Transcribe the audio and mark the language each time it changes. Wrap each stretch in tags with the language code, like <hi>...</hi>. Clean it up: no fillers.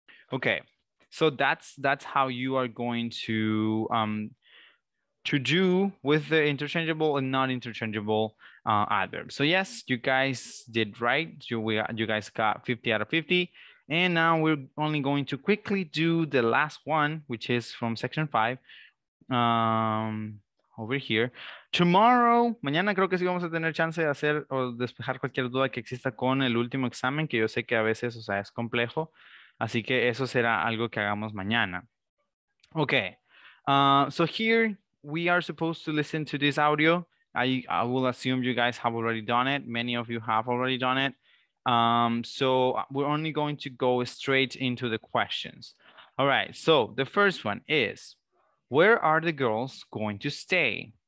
<en>Okay, so that's how you are going to do with the interchangeable and not interchangeable adverbs. So yes, you guys did right. You guys got 50 out of 50, and now we're only going to quickly do the last one, which is from section 5. Over here. Tomorrow,</en> <es>mañana creo que sí vamos a tener chance de hacer o despejar cualquier duda que exista con el último examen, que yo sé que a veces, o sea, es complejo. Así que eso será algo que hagamos mañana.</es> <en>Okay. So here we are supposed to listen to this audio. I will assume you guys have already done it. Many of you have already done it. So we're only going to go straight into the questions. All right. So the first one is, where are the girls going to stay?</en>